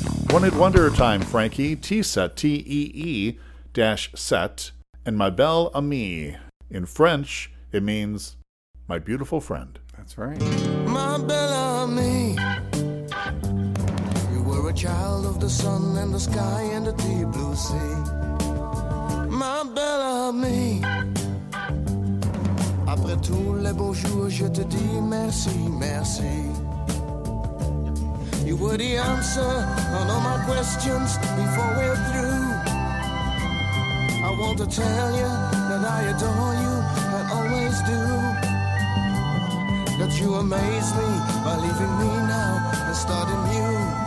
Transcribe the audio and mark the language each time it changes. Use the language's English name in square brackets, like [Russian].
[English] One-Hit Wonder time, Frankie. T-set, T-E-E, dash set, and ma belle amie. In French, it means my beautiful friend. That's right. [French] Ma belle amie, [English] you were a child of the sun and the sky and the deep blue sea. [French] Ma belle amie, après tous les beaux jours, je te dis merci, merci. [English] You were the answer on all my questions before we're through. I want to tell you that I adore you, I always do. That you amaze me by leaving me now and starting you.